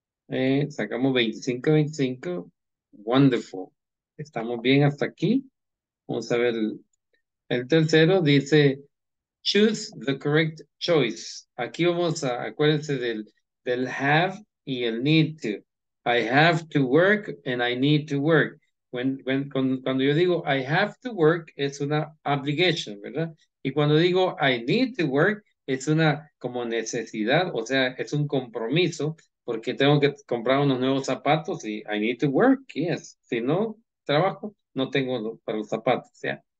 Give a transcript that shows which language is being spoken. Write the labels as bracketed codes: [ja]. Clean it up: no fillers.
[es] Sacamos 25, 25. [en] Wonderful. [es] Estamos bien hasta aquí. Vamos a ver. El tercero dice, [en] choose the correct choice. [es] Aquí vamos a, acuérdense del have y el need to. [en] I have to work and I need to work. [es] Cuando yo digo [en] I have to work, [es] es una obligation, ¿verdad? Y cuando digo I need to work, es una como necesidad, o sea, es un compromiso, porque tengo que comprar unos nuevos zapatos y [en] I need to work, yes. [es] Si no trabajo, no tengo para los zapatos, ¿ya?